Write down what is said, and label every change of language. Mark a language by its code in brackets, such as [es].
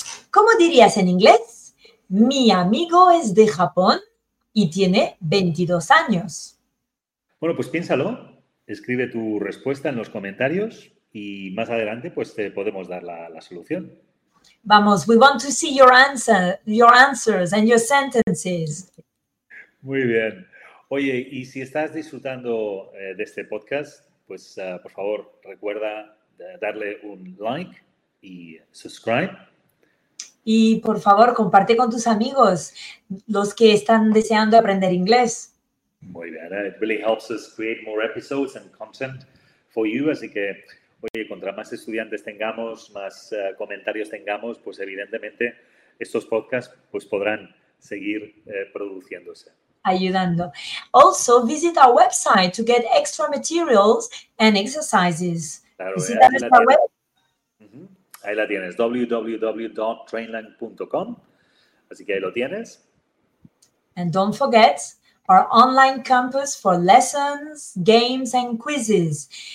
[es] ¿Cómo dirías en inglés? Mi amigo es de Japón y tiene 22 años. Bueno, pues piénsalo. Escribe tu respuesta en los comentarios y más adelante pues te podemos dar la solución. Vamos, [en] we want to see your answers and your sentences. [es] Muy bien. Oye, y si estás disfrutando de este podcast, pues por favor recuerda darle un like y subscribe. Y, por favor, comparte con tus amigos, los que están deseando aprender inglés. Muy bien. [en] It really helps us create more episodes and content for you. [es] Así que, oye, contra más estudiantes tengamos, más comentarios tengamos, pues evidentemente estos podcasts pues podrán seguir produciéndose. Ayudando. [en] Also, visit our website to get extra materials and exercises. [es] Claro, visit ahí, la web. Ahí la tienes, www.trainline.com. Así que ahí lo tienes. [en] And don't forget our online campus for lessons, games and quizzes.